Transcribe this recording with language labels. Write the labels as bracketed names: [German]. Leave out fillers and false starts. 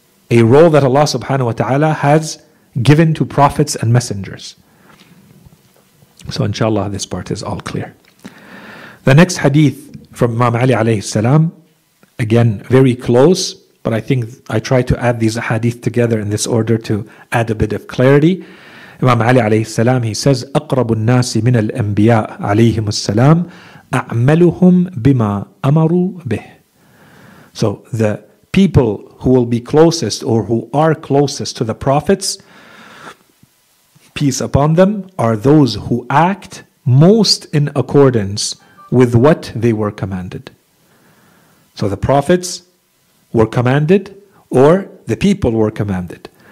[English] A role that Allah subhanahu wa ta'ala has given to prophets and messengers. So inshallah, this part is all clear. The next hadith from Imam Ali alayhi salam, again, very close, but I think I try to add these hadith together in this order to add a bit of clarity. [Arabic] Imam Ali alayhi salam, [English] he says, [Arabic] أَقْرَبُ النَّاسِ مِنَ الْأَنْبِيَاءِ عَلَيْهِمُ السَّلَامِ أَعْمَلُهُمْ بِمَا أَمَرُوا بِهِ. [English] So the people who will be closest or who are closest to the prophets, peace upon them, are those who act most in accordance with what they were commanded. So the prophets were commanded, or the people were commanded.